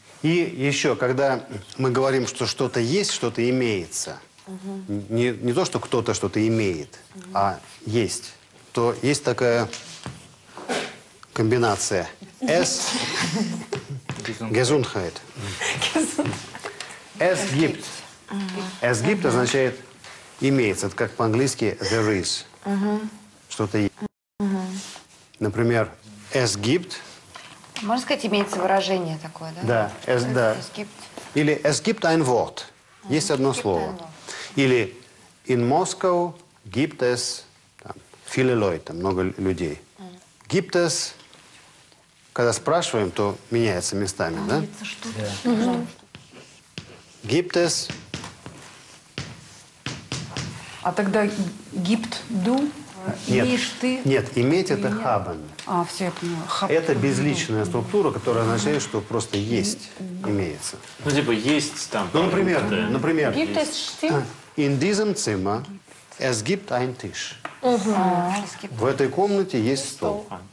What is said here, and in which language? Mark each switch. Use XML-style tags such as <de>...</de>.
<ru>И еще, когда мы говорим, что что-то есть, что-то имеется, не то, что кто-то что-то имеет, а есть, то есть такая комбинация.</ru> <de>Es Gesundheit. Es gibt. Es gibt</de> <ru>означает имеется. Это как по-английски</ru> <en>there is.</en> <ru>Что-то есть. Например,</ru> <de>es gibt.</de> <ru>Можно сказать, имеется выражение такое, да? Да. Es, да.</ru> <de>Es gibt. Или es gibt ein Wort.</de> <ru>Есть одно слово.</ru> <de>Или in Moscow gibt es</de> <ru>там,</ru> <de>viele Leute,</de> <ru>много людей.</ru> <de>Gibt es,</de> <ru>когда спрашиваем, то меняется местами, да?</ru> <de>Gibt es.</de> <ru>А тогда gibt du? Нет, имеешь ты? Нет, иметь – это haben. А, все, я понял. Это безличная структура, которая означает, что просто есть, имеется. Ну, типа, есть там. Ну, например, например.</ru> <de>Gibt es Stimmt? In diesem Zimmer es gibt ein Tisch.</de> <ru>В этой комнате есть стол.</ru>